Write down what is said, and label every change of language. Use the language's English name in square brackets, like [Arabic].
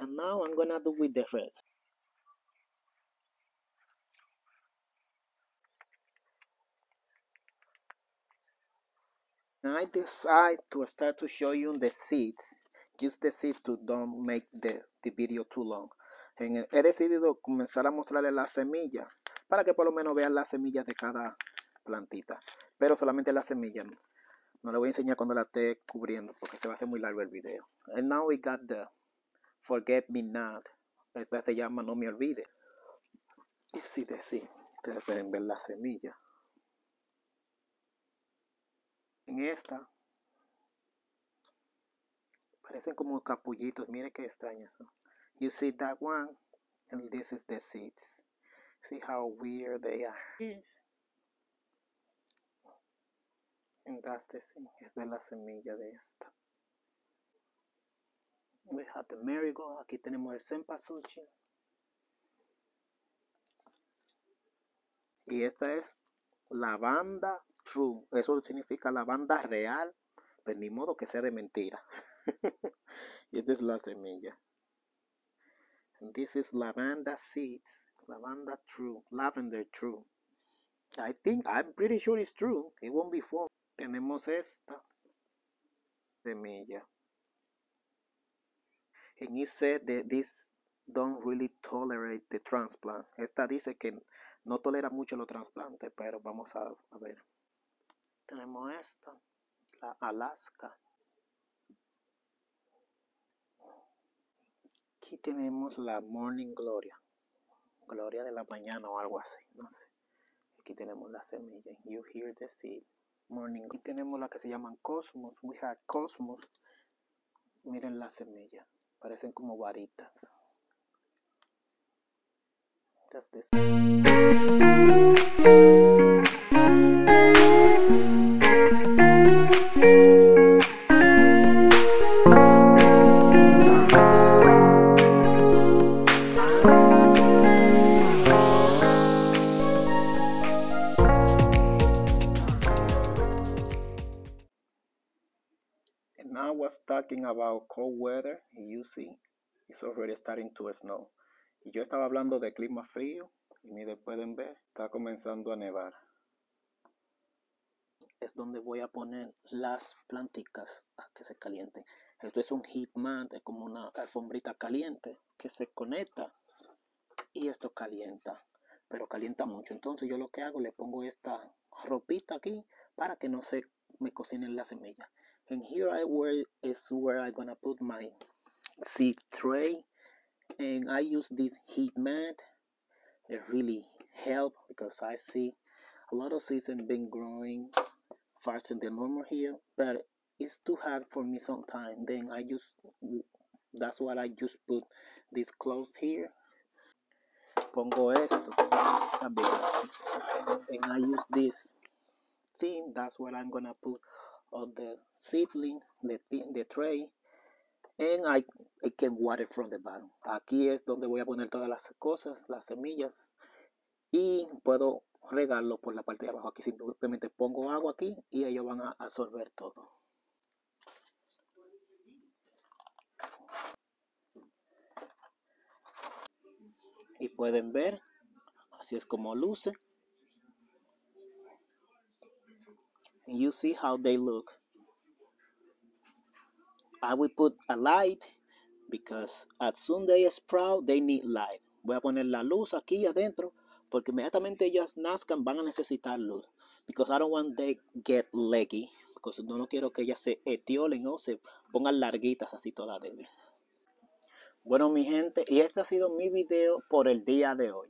[English] And now I'm gonna do with the rest. I decide to start to show you the seeds. Use the seeds to don't make the video too long. [Spanish] He decidido comenzar a mostrarle las semillas para que por lo menos vean las semillas de cada plantita. Pero solamente las semillas. No le voy a enseñar cuando la esté cubriendo porque se va a hacer muy largo el video. [English] And now we got the Forget Me Not. [Spanish] Esta se llama No Me Olvide. Y si de sí, ustedes pueden ver las semillas. En esta parecen como capullitos, mire qué extraño eso. [English] You see that one, and this is the seeds. See how weird they are. Yes. And that's the seed. [Spanish] Es de la semilla de esta. [English] We have the marigold. [Spanish] Aquí tenemos el cempasúchil. Y esta es lavanda. True, eso significa lavanda real, pero ni modo que sea de mentira. Y esta es la semilla. [English] And this is lavanda seeds, lavanda true, lavender true. I think, I'm pretty sure it's true, it won't be false. [Spanish] Tenemos esta semilla. [English] And it said that this don't really tolerate the transplant. [Spanish] Esta dice que no tolera mucho los trasplantes, pero vamos a ver. Tenemos esta, la Alaska. Aquí tenemos la Morning Gloria. Gloria de la mañana o algo así, no sé. Aquí tenemos la semilla. You hear the seed. Morning. Aquí tenemos la que se llaman Cosmos. [English] We have Cosmos. [Spanish] Miren la semilla. Parecen como varitas. [English] That's this. Talking about cold weather, and you see, it's already starting to snow. [Spanish] Y yo estaba hablando de clima frío, y mire, pueden ver, está comenzando a nevar. Es donde voy a poner las plantitas a que se calienten. Esto es un heat mat, es como una alfombrita caliente que se conecta y esto calienta, pero calienta mucho. Entonces, yo lo que hago, le pongo esta ropita aquí para que no se me cocinen las semillas. [English] And here I will is where I'm gonna put my seed tray, and I use this heat mat. It really helps because I see A lot of seeds have been growing faster than normal here, but it's too hot for me sometimes. Then I just, that's why I just put this clothes here. [Spanish] Pongo esto también. [English] And I use this thing, that's what I'm gonna put on the seedling, the tray. And I can water it from the bottom. [Spanish] Aquí es donde voy a poner todas las cosas, las semillas. Y puedo regarlo por la parte de abajo. Aquí simplemente pongo agua aquí y ellos van a absorber todo. Y pueden ver, así es como luce. [English] You see how they look. I will put a light because as soon as they sprout, they need light. [Spanish] Voy a poner la luz aquí adentro porque inmediatamente ellas nazcan van a necesitar luz. [English] Because I don't want they get leggy. [Spanish] Because no, no quiero que ellas se etiolen o se pongan larguitas así todas débiles. Bueno, mi gente, y este ha sido mi video por el día de hoy.